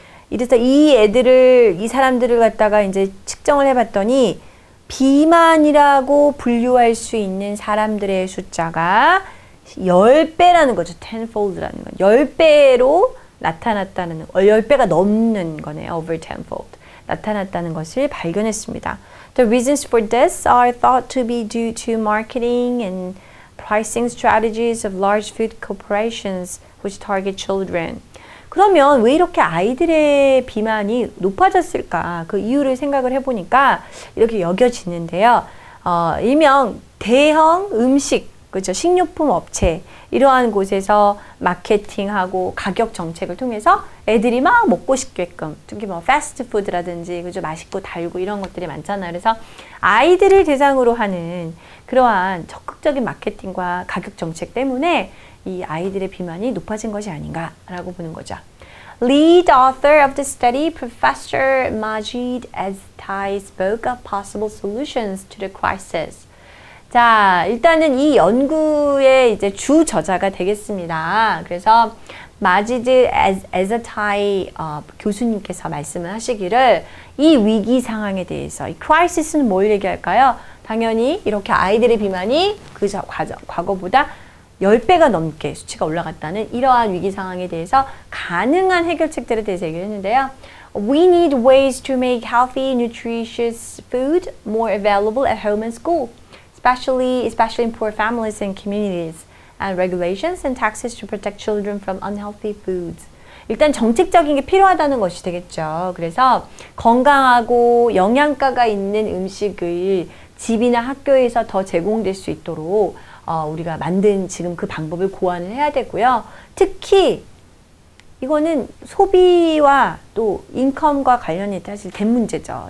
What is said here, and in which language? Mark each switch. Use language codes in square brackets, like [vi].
[ko] 이래서 이 사람들을 갖다가 이제 측정을 해봤더니 비만이라고 분류할 수 있는 사람들의 숫자가 10배라는 거죠. tenfold라는 거. 10배로 나타났다는, 10배가 넘는 거네요. [en] over tenfold. [ko] 나타났다는 것을 발견했습니다. [en] The reasons for this are thought to be due to marketing and pricing strategies of large food corporations which target children. [ko] 그러면 왜 이렇게 아이들의 비만이 높아졌을까? 그 이유를 생각을 해보니까 이렇게 여겨지는데요. 일명 대형 음식, 그죠? 식료품 업체. 이러한 곳에서 마케팅하고 가격 정책을 통해서 애들이 막 먹고 싶게끔 특히 뭐 패스트푸드라든지 그죠 맛있고 달고 이런 것들이 많잖아요. 그래서 아이들을 대상으로 하는 그러한 적극적인 마케팅과 가격 정책 때문에 이 아이들의 비만이 높아진 것이 아닌가라고 보는 거죠. [en] Lead author of the study, Professor Majid Azhdari spoke of possible solutions to the crisis. [ko] 자, 일단은 이 연구의 이제 주 저자가 되겠습니다. 그래서 마지드 에자타이 교수님께서 말씀을 하시기를 이 위기 상황에 대해서 이 크라이시스는 뭘 얘기할까요? 당연히 이렇게 아이들의 비만이 그 과거보다 10배가 넘게 수치가 올라갔다는 이러한 위기 상황에 대해서 가능한 해결책들에 대해서 얘기를 했는데요. [en] We need ways to make healthy, nutritious food more available at home and school. Especially in poor families and communities, and regulations and taxes to protect children from unhealthy foods. [ko] 일단 정책적인 게 필요하다는 것이 되겠죠. 그래서 건강하고 영양가가 있는 음식을 집이나 학교에서 더 제공될 수 있도록 우리가 만든 지금 그 방법을 고안을 해야 되고요. 특히 이거는 소비와 또 인컴과 관련이 사실 된 문제죠.